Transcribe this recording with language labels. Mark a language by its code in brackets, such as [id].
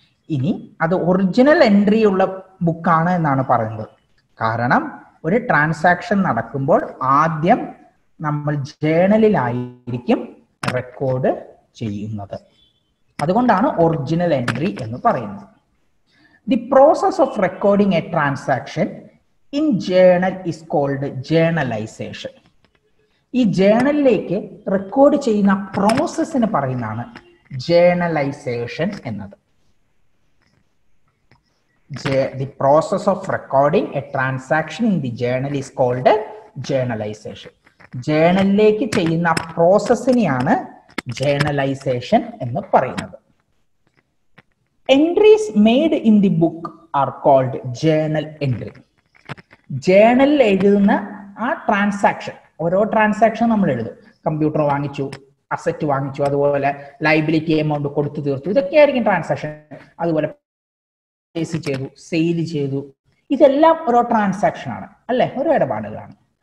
[ml] ഇനി അത് original entry ഉള്ള ബുക്കാണ് എന്നാണ് പറയുന്നത്. കാരണം ഒരു ട്രാൻസാക്ഷൻ നടക്കുമ്പോൾ ആദ്യം നമ്മൾ ജേണലിലായിരിക്കും റെക്കോർഡ് ചെയ്യുന്നത്. അതുകൊണ്ടാണ് ഒറിജിനൽ എൻട്രി എന്ന് പറയുന്നത്. [en] The process of recording a transaction in journal is called journalization. [ml] ഈ ജേണലിലേക്ക് റെക്കോർഡ് ചെയ്യുന്ന പ്രോസസ്സിനെ പറയുന്നതാണ് ജേണലൈസേഷൻ എന്നത്. [en] The process of recording a transaction in the journal is called journalization. [ml] ജേണലിലേക്ക് ചെയ്യുന്ന പ്രോസസ്സിനെയാണ് ജേണലൈസേഷൻ എന്ന് പറയുന്നത്. [en] Entries made in the book are called journal entry. [ml] Journal എഴുതുന്ന ആ transaction, ഓരോ ട്രാൻസാക്ഷൻ നമ്മൾ എഴുതും. കമ്പ്യൂട്ടർ വാങ്ങിച്ചു, അസറ്റ് വാങ്ങിച്ചു, അതുപോലെ ലൈബിലിറ്റി എമൗണ്ട് കൊടുത്തു തീർത്തു, ഇതൊക്കെ ആയിരിക്കും ട്രാൻസാക്ഷൻ. അതുപോലെ പർച്ചേസ് ചെയ്തു, സെയിൽ ചെയ്തു, ഇതെല്ലാം ഓരോ ട്രാൻസാക്ഷൻ ആണ് അല്ലെ, ഓരോ ഇടപാടുകളാണ്.